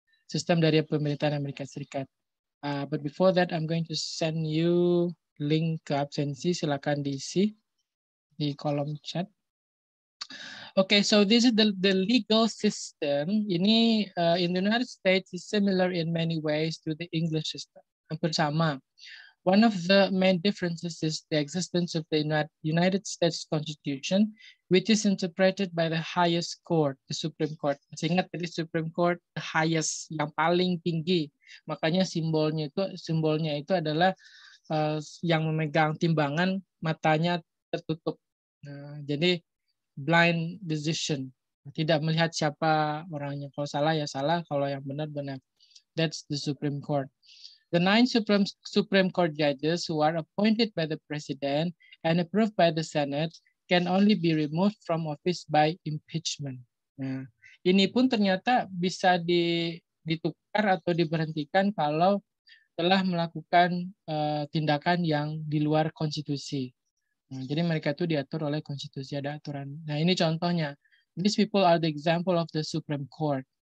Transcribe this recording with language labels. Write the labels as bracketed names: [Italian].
[Indonesian] Sistem dari pemerintahan Amerika Serikat. [English] But before that, I'm going to send you link [Indonesian] ke absensi. Silakan diisi di kolom chat. [English] Okay, so this is the legal system. [Indonesian] Ini [English] in the United States is similar in many ways to the English system. [Indonesian] Hampir sama. [English] One of the main differences is the existence of the United States Constitution, which is interpreted by the highest court, the Supreme Court. [Indonesian] Masih ingat tadi Supreme Court, [English] the highest, [Indonesian] yang paling tinggi. Makanya simbolnya itu adalah yang memegang timbangan, matanya tertutup. Nah, jadi [English] blind decision, [Indonesian] tidak melihat siapa orangnya. Kalau salah ya salah, kalau yang benar benar. [English] That's the Supreme Court. The nine Supreme Court judges who are appointed by the president and approved by the Senate can only be removed from office by impeachment. [Indonesian] Nah, ini pun ternyata bisa ditukar atau diberhentikan kalau telah melakukan tindakan yang di luar konstitusi. Nah, jadi mereka itu diatur oleh konstitusi, ada aturan. Nah, ini contohnya. [English] These people are the example of the Supreme Court.